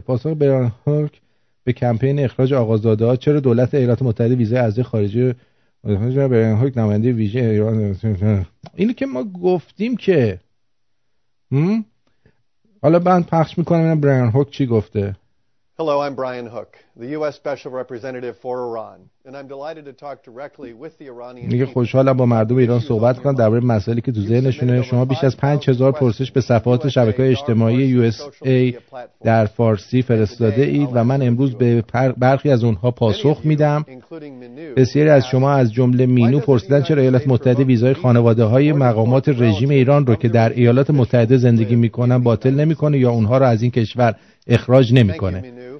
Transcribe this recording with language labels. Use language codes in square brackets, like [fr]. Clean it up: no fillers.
[fa] پاسخ بران هورک به کمپین اخراج آقازاده ها، چرا دولت ایالات متحده ویزای اعضای خارجی بران هورک نماینده ویژه ایران؟ اینو که ما گفتیم که حالا من پخش میکنم اینم بران هورک چی گفته. [en] Hello, I'm Brian Hook, the U.S. Special Representative for Iran, and I'm delighted to talk directly with the Iranian people. [fa] میگه خوشحالم با مردم ایران صحبت کنم درباره مسائلی که تو ذهنشونه. شما بیش از 5000 پرسش به صفحات شبکه‌های اجتماعی USA در فارسی فرستاده اید و من امروز به برخی از اونها پاسخ میدم. بسیاری از شما از جمله مینو پرسیدن چرا ایالات متحده ویزای خانواده‌های مقامات رژیم ایران رو که در ایالات متحده زندگی می‌کنن باطل نمی‌کنه یا اونها رو از این کشور اخراج نمی‌کنه.